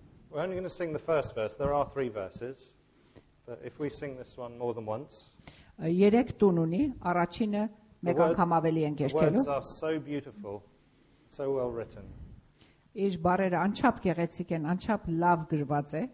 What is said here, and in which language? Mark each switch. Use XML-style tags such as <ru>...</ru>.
<en>We're only going to sing the first verse. There are three verses, but if we sing this one more than once,</en> <hy>երեք տուն ունի, առաջինը մեկ անգամ ավելի են երգելու.</hy> <en>The words are so beautiful, so well written.</en> <hy>Իս բարերը անչափ գեղեցիկ են, անչափ լավ գրված է։</hy>